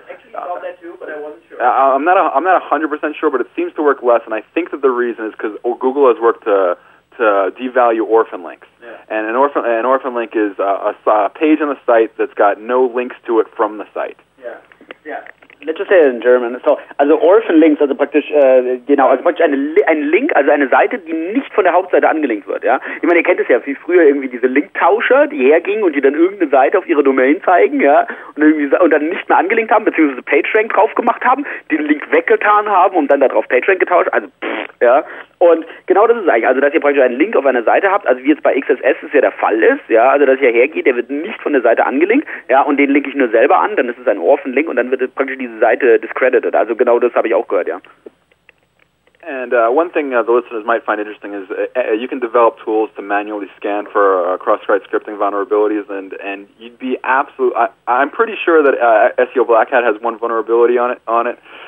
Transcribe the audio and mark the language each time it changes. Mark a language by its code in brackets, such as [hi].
[en] I actually thought that too, but I wasn't sure. I'm not 100% sure, but it seems to work less, and I think that the reason is because Google has worked to devalue orphan links. Yeah. And an orphan link is a page on the site that's got no links to it from the site. Yeah. Let's just say it in German. [de] So, also orphan links, also praktisch, also praktisch ein Link, also eine Seite, die nicht von der Hauptseite angelinkt wird, ja. Ich meine, ihr kennt es ja, wie früher irgendwie diese Linktauscher, die hergingen und die dann irgendeine Seite auf ihre Domain zeigen, ja, und dann nicht mehr angelinkt haben, beziehungsweise PageRank drauf gemacht haben, den Link weggetan haben und dann darauf PageRank getauscht, also, ja. Und genau das ist eigentlich, also dass ihr praktisch einen Link auf einer Seite habt, also wie jetzt bei XSS es ja der Fall ist, ja, also dass ihr hergeht, der wird nicht von der Seite angelinkt, ja, und den linke ich nur selber an, dann ist es ein Orphan-Link und dann wird praktisch diese Seite discredited. Also genau das habe ich auch gehört, ja. [en] And one thing the listeners might find interesting is you can develop tools to manually scan for cross-site scripting vulnerabilities, and you'd be absolutely, I'm pretty sure that SEO Black Hat has one vulnerability on it.